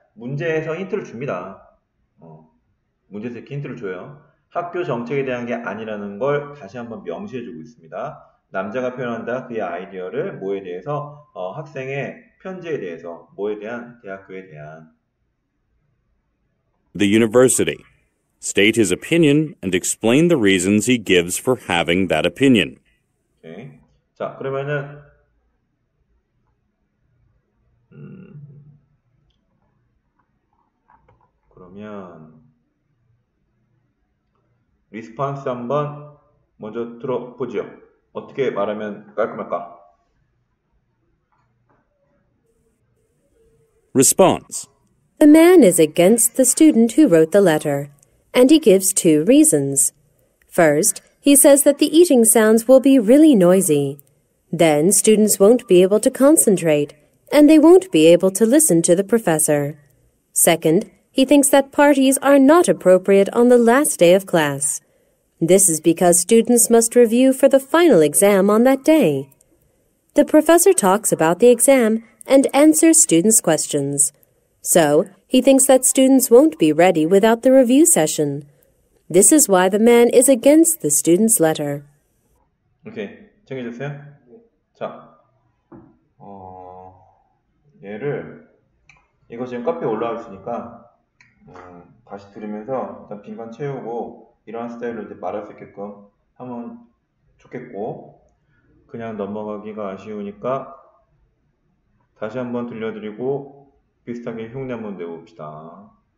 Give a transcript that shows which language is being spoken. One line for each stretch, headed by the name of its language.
Korean: 문제에서 힌트를 줍니다. 문제에서 이렇게 힌트를 줘요. 학교 정책에 대한 게 아니라는 걸 다시 한번 명시해주고 있습니다. 남자가 표현한다 그의 아이디어를 뭐에 대해서 학생의 편지에 대해서 뭐에 대한 대학교에 대한
English: The university. State his opinion and explain the reasons he gives for having that opinion. Okay.
Korean: 자, 그러면은 그러면 리스폰스 한번 먼저 들어보죠. 어떻게 말하면 깔끔할까?
English: Response. The man is against the student who wrote the letter, and he gives two reasons. First, he says that the eating sounds will be really noisy. Then students won't be able to concentrate, and they won't be able to listen to the professor. Second, he thinks that parties are not appropriate on the last day of class. This is because students must review for the final exam on that day. The professor talks about the exam and answers students' questions. So, he thinks that students won't be ready without the review session. This is why the man is against the student's letter.
Korean: Okay, 챙겨주세요. 자, 얘를, 이거 지금 카페에 올라와 있으니까, 다시 들으면서 일단 빈칸 채우고, 이러한 스타일로 이제 말할 수 있게끔 하면 좋겠고, 그냥 넘어가기가 아쉬우니까, 다시 한번 들려드리고, 비슷하게 흉내 한번 내봅시다.